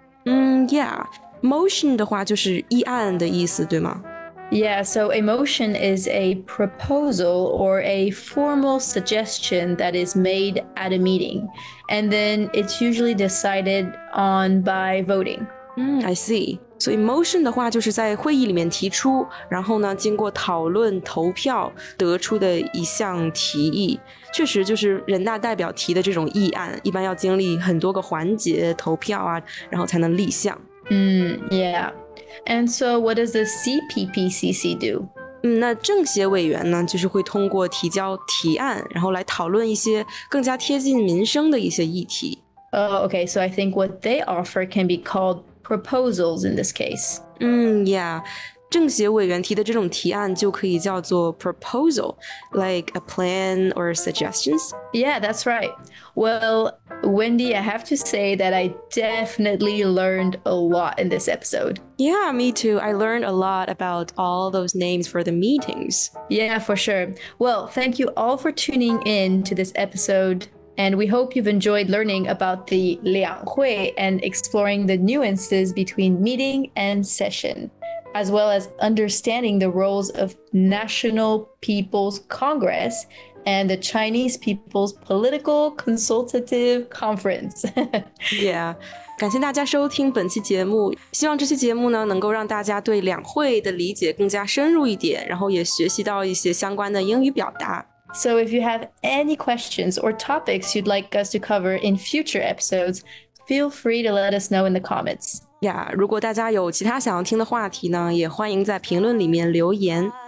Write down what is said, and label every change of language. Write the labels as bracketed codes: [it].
[en] Yeah. [zh] Motion 的话就是议案的意思，对吗？ [en] Yeah, so a motion is a proposal or a formal suggestion that is made at a meeting. And then it's usually decided on by voting. I see. [zh] 所以 motion 的话就是在会议里面提出，然后呢经过讨论投票得出的一项提议，确实就是人大代表提的这种议案一般要经历很多个环节投票啊，然后才能立项。 [en] Yeah. And so what does the CPPCC do? [zh] 那政协委员呢就是会通过提交提案，然后来讨论一些更加贴近民生的一些议题。 [en] Okay, so I think what they offer can be calledproposals in this case. Yeah. [zh] 政协委员提的这种提案就可以叫做 proposal, [en] like a plan or suggestions. Yeah, that's right. Well, Wendy, I have to say that I definitely learned a lot in this episode. Yeah, me too. I learned a lot about all those names for the meetings. Yeah, for sure. Well, thank you all for tuning in to this episode. And we hope you've enjoyed learning about the 两会 and exploring the nuances between meeting and session, as well as understanding the roles of National People's Congress and the Chinese People's Political Consultative Conference. Yeah. [zh] 感谢大家收听本期节目，希望这期节目呢能够让大家对两会的理解更加深入一点，然后也学习到一些相关的英语表达。 [en] So if you have any questions or topics you'd like us to cover in future episodes, feel free to let us know in the comments. Yeah, [zh] 如果大家有其他想要听的话题呢，也欢迎在评论里面留言。